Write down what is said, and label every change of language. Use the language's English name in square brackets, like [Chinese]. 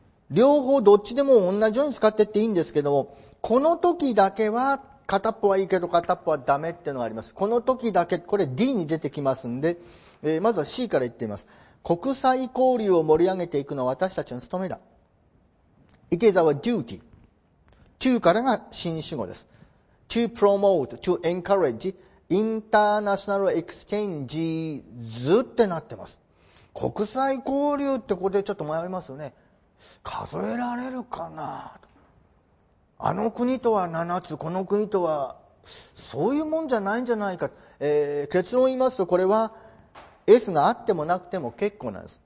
[Japanese] 両方どっちでも同じように使ってっていいんですけども、この時だけは片っぽはいいけど片っぽはダメっていうのがあります。この時だけ、これ D に出てきますんで、まずは C から言ってみます。国際交流を盛り上げていくのは私たちの務めだ。 [English] It is our duty to [Japanese] からが新主語です。 [English] To promote, to encourage international exchanges [Japanese] ってなってます。国際交流ってここでちょっと迷いますよね。数えられるかな、あの国とは7つ、この国とはそういうもんじゃないんじゃないか、結論を言いますと、これはS があってもなくても結構なんです。